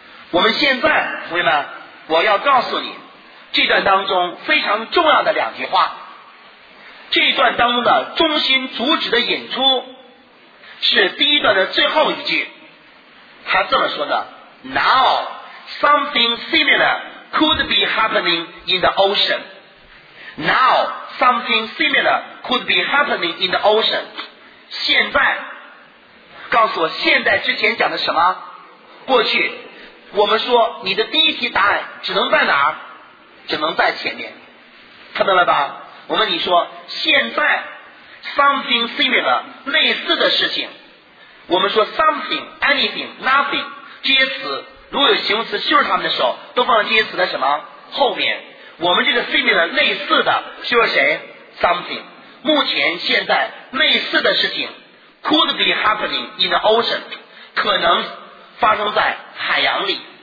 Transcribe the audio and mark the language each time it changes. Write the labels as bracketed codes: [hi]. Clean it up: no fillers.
[zh] 我们现在，同学们，我要告诉你这段当中非常重要的两句话。这一段当中的中心主旨的引出是第一段的最后一句，他这么说的 ： [en] Now something similar could be happening in the ocean. Now something similar could be happening in the ocean. [zh] 现在，告诉我现在之前讲的什么？过去，我们说你的第一题答案只能在哪儿？只能在前面，看到了吧？我问你说现在。 [en] Something similar [zh] 类似的事情，我们说 [en] something anything nothing [zh] 这些词如果有形容词修饰它们的时候都放在这些词的什么后面，我们这个 similar 类似的修饰谁 something， 目前现在类似的事情 [en] could be happening in the ocean [zh] 可能发生在海洋里。